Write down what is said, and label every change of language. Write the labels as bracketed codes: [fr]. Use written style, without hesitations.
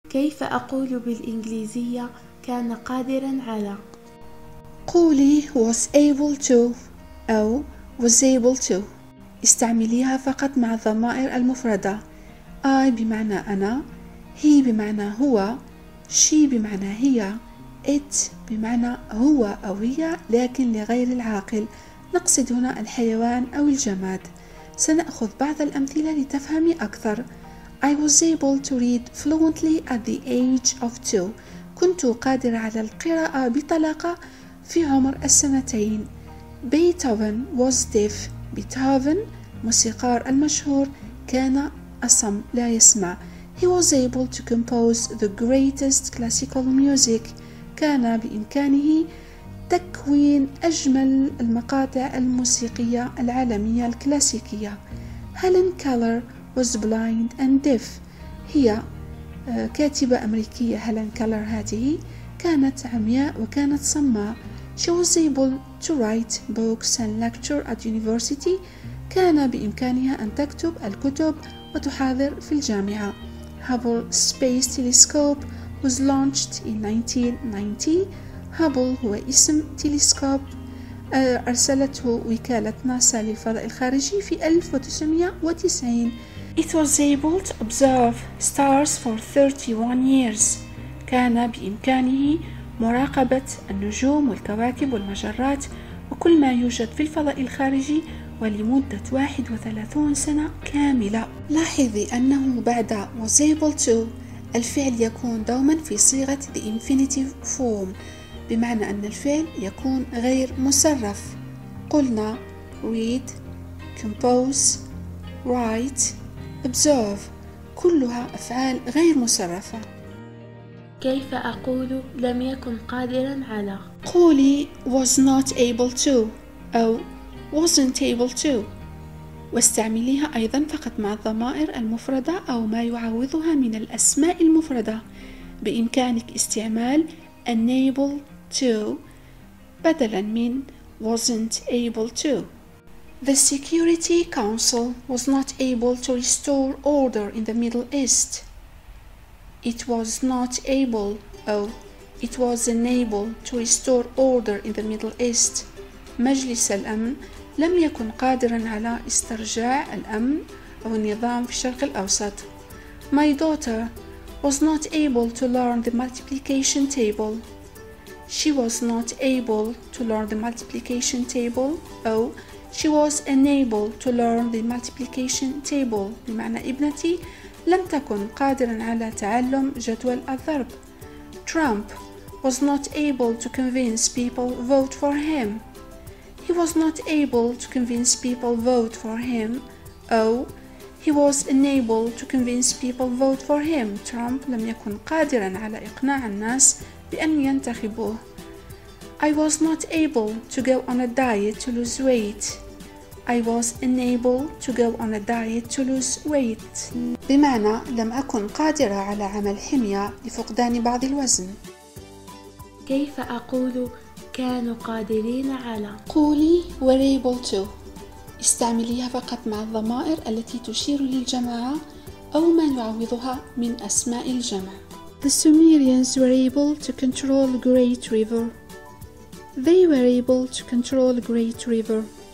[ar] كيف أقول بالإنجليزية كان قادرا على؟ [en] قولي was able to أو was able to. [ar] استعمليها فقط مع الضمائر المفردة I بمعنى أنا, he بمعنى هو, she بمعنى هي, it بمعنى هو أو هي, لكن لغير العاقل نقصد هنا الحيوان أو الجماد. سنأخذ بعض الأمثلة لتفهمي أكثر. [en] I was able to read fluently at the age of two. [ar] كنت قادرة على القراءة بطلاقة في عمر السنتين. [en] Beethoven was deaf. [ar] بيتهوفن موسيقار المشهور كان أصم لا يسمع. [en] He was able to compose the greatest classical music. [ar] كان بإمكانه تكوين أجمل المقاطع الموسيقية العالمية الكلاسيكية. [en] Helen Keller was blind and deaf. [ar] هي كاتبة أمريكية هيلين كيلر هذه كانت عمياء وكانت صماء. [en] She was able to write books and lecture at university. [ar] كان بإمكانها أن تكتب الكتب وتحاضر في الجامعة. [en] Hubble space telescope was launched in 1990. [ar] هابل هو اسم تلسكوب أرسلته وكالة ناسا للفضاء الخارجي في 1990. [en] It was able to observe stars for 31 years. [ar] كان بإمكانه مراقبة النجوم والكواكب والمجرات وكل ما يوجد في الفضاء الخارجي ولمدة 31 سنة كاملة. لاحظي أنه بعد [en] was able to [ar] الفعل يكون دوما في صيغة [en] the infinitive form [ar] بمعنى أن الفعل يكون غير مصرف. قلنا read, compose, write, observe كلها أفعال غير مصرفة. كيف أقول لم يكن قادرا على؟ [en] قولي was not able to أو wasn't able to. [ar] واستعمليها أيضا فقط مع الضمائر المفردة أو ما يعوضها من الأسماء المفردة. بإمكانك استعمال [en] unable to [ar] بدلا من [en] wasn't able to. The Security Council was not able to restore order in the Middle East. It was not able, or it was unable to restore order in the Middle East. [ar] مجلس الأمن لم يكن قادرا على استرجاع الأمن أو النظام في الشرق الأوسط. [en] My daughter was not able to learn the multiplication table. She was not able to learn the multiplication table, or she was unable to learn the multiplication table. [ar] بمعنى ابنتي لم تكن قادرا على تعلم جدول الضرب. [en] Trump was not able to convince people vote for him. He was not able to convince people vote for him. Oh, he was unable to convince people vote for him. [ar] Trump لم يكن قادرا على إقناع الناس بأن ينتخبوه. [en] I was not able to go on a diet to lose weight. I was unable to go on a diet to lose weight. [ar] بمعنى لم أكن قادرة على عمل حمية لفقدان بعض الوزن. كيف أقول كانوا قادرين على؟ [en] قولي were able to. [ar] استعمليها فقط مع الضمائر التي تشير للجماعة أو ما يعوضها من أسماء الجمع. [en] The Sumerians were able to control great river. They were able to control great river.